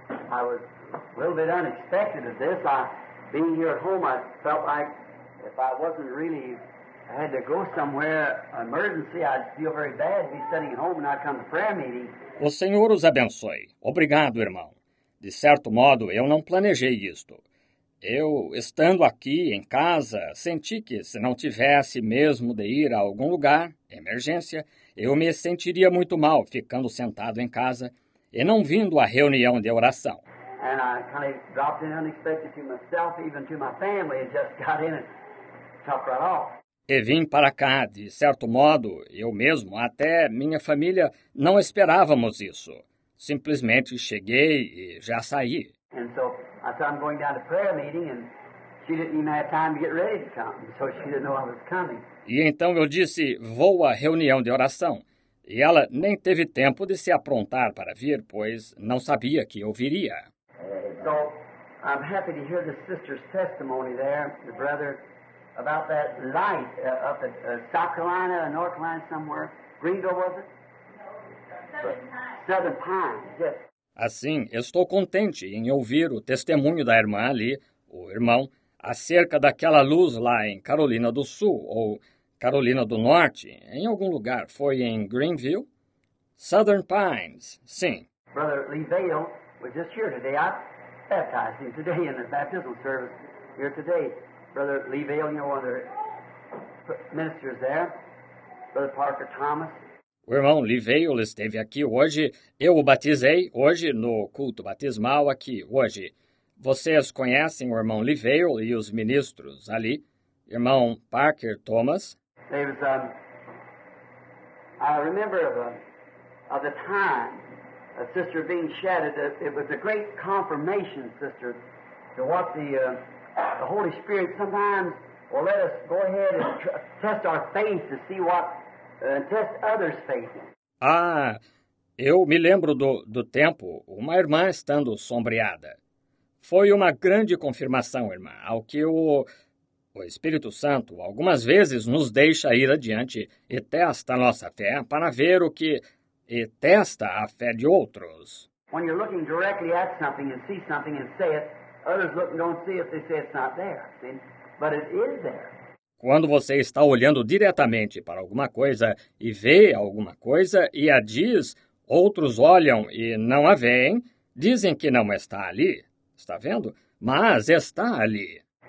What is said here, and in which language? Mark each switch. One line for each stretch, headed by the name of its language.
English: I was a little bit unexpected at this. Being here at home, I felt like if I wasn't really, I had to go somewhere, an emergency, I'd feel very bad to be sitting at home and not come to prayer meeting.
Portuguese: O Senhor os abençoe. Obrigado, irmão. De certo modo, eu não planejei isto. Eu, estando aqui em casa, senti que se não tivesse mesmo de ir a algum lugar, emergência, Eu me sentiria muito mal ficando sentado em casa e não vindo à reunião de oração.
English: And I kind of dropped in unexpected to myself, even to my family, and just got in and talked right off.
Portuguese: E vim para cá, de certo modo, eu mesmo, até minha família, não esperávamos isso. Simplesmente cheguei e já saí.
English: And so I said, I'm going down to prayer meeting, and she didn't even have time to get ready to come, so she didn't know I was coming.
Portuguese: E então eu disse, vou à reunião de oração. E ela nem teve tempo de se aprontar para vir, pois não sabia que eu viria.
English: So, I'm happy to hear the sister's testimony there, the brother, about that light up at South Carolina, North Carolina, somewhere. Greenville, was it? No, Southern Pines. Southern Pines, yes.
Portuguese: Assim, estou contente em ouvir o testemunho da irmã ali, o irmão, acerca daquela luz lá em Carolina do Sul, ou Carolina do Norte, em algum lugar. Foi em Greenville? Southern Pines, sim.
English: Brother Lee Vale was just here today. I baptized him today in the baptismal service here today. Brother Lee Vale, you know, one of the ministers there. Brother Parker Thomas.
Portuguese: O irmão Lee Vale esteve aqui hoje. Eu o batizei hoje no culto batismal aqui hoje. Vocês conhecem o irmão Lee Vale e os ministros ali? Irmão Parker Thomas?
English: Was, I remember of the time a sister being shattered. It was a great confirmation, sister, to what the Holy Spirit sometimes will let us go ahead and test our faith to see what, test others' faith.
Portuguese: Ah, eu me lembro do tempo, uma irmã estando sombreada. Foi uma grande confirmação, irmã, ao que o Espírito Santo algumas vezes nos deixa ir adiante e testa a nossa fé para ver o que e testa a fé de outros.
English: When you're looking directly at something and see something and say it, others look and don't see it, they say it's not there. But it is there.
Portuguese: Quando você está olhando diretamente para alguma coisa e vê alguma coisa e a diz, outros olham e não a veem, dizem que não está ali. Está vendo? Mas está ali.